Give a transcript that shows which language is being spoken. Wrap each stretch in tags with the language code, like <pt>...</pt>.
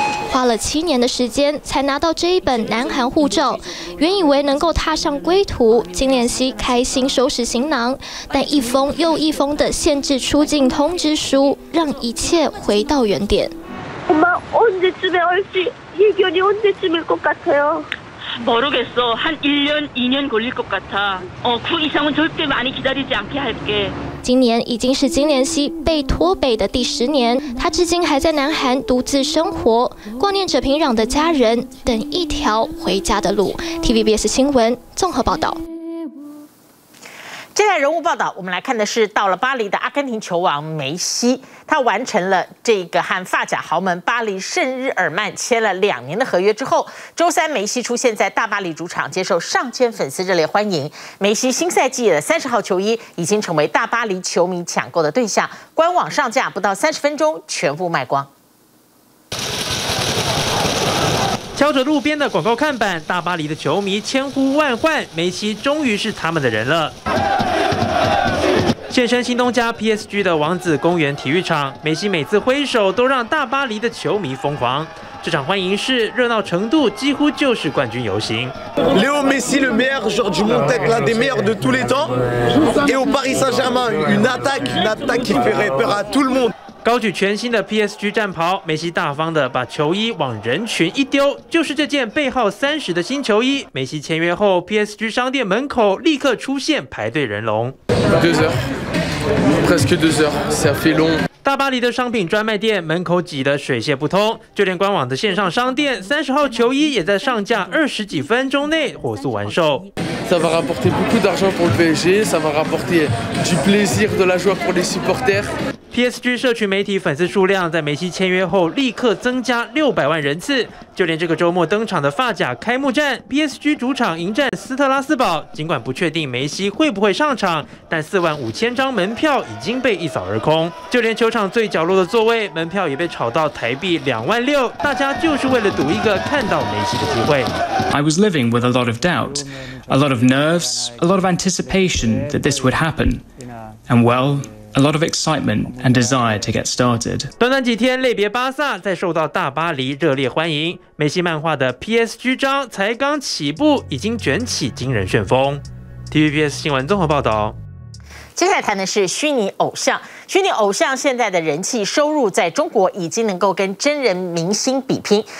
<zh>花了7年的时间才拿到这一本南韩护照，原以为能够踏上归途，金莲希开心收拾行囊，但一封又一封的限制出境通知书让一切回到原点。</zh> <ko>모르겠어한1년2년걸릴것같아어그이상은절대많이기다리지않게할게</ko> <zh>今年已经是金莲希被脱北的第10年，他至今还在南韩独自生活，挂念着平壤的家人，等一条回家的路。 TVBS 新闻综合报道。接下来人物报道，我们来看的是到了巴黎的阿根廷球王梅西，他完成了这个和发甲豪门巴黎圣日耳曼签了2年的合约之后，周三梅西出现在大巴黎主场接受上千粉丝热烈欢迎。梅西新赛季的30号球衣已经成为大巴黎球迷抢购的对象，官网上架不到30分钟全部卖光。敲着路边的广告看板，大巴黎的球迷千呼万唤，梅西终于是他们的人了。现身新东家 PSG 的王子公园体育场，梅西每次挥手都让大巴黎的球迷疯狂。这场欢迎式热闹程度几乎就是冠军游行。</zh> <fr>Léo Messi, le meilleur joueur du monde, est l'un des meilleurs de tous les temps. Et au Paris Saint-Germain, une attaque qui ferait peur à tout le monde.</fr> <zh>高举全新的 PSG 战袍，梅西大方的把球衣往人群一丢，就是这件背号30的新球衣。梅西签约后 ，PSG 商店门口立刻出现排队人龙。</zh> <fr>2 heures, presque 2 heures, ça fait long.</fr> <zh>大巴黎的商品专卖店门口挤得水泄不通，就连官网的线上商店三十号球衣也在上架二十几分钟内火速完售。</zh> <fr>Ça va rapporter beaucoup d'argent pour le PSG, ça va rapporter du plaisir, de la joie pour les supporters.</fr> <zh>PSG 社群媒体粉丝数量在梅西签约后立刻增加600万人次，就连这个周末登场的发甲开幕战 PSG 主场迎战斯特拉斯堡，尽管不确定梅西会不会上场，但45000张门票已经被一扫而空，就连球场最角落的座位门票也被炒到台币26000，大家就是为了赌一个看到梅西的机会。</zh> <en>I was living with a lot of doubt, a lot of nerves, a lot of anticipation that this would happen, and wellA lot of excitement and desire to get started.</en> <zh>短短几天，类别巴萨在受到大巴黎热烈欢迎。梅西漫画的 PSG 章才刚起步，已经卷起惊人旋风。 TVBS 新闻综合报道。接下来谈的是虚拟偶像。虚拟偶像现在的人气收入在中国已经能够跟真人明星比拼。</zh>